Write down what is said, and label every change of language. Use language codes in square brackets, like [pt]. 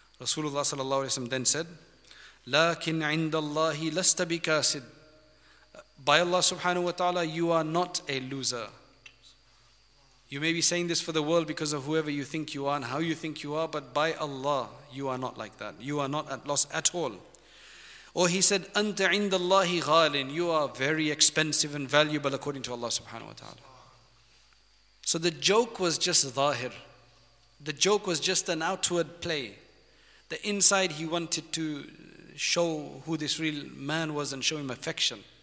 [ar] Rasulullah صلى الله عليه وسلم [en] then said, [ar] لَكِنْ عِنْدَ اللَّهِ لَسْتَ بِكَاسِدْ. [en] By Allah subhanahu wa ta'ala, you are not a loser. You may be saying this for the world because of whoever you think you are and how you think you are, but by Allah, you are not like that. You are not at loss at all. Or he said, [ar] أَنْتَ عِنْدَ اللَّهِ غَالٍ. [en] You are very expensive and valuable according to Allah subhanahu wa ta'ala. So the joke was just zahir. The joke was just an outward play. The inside, he wanted to show who this real man was and show him affection.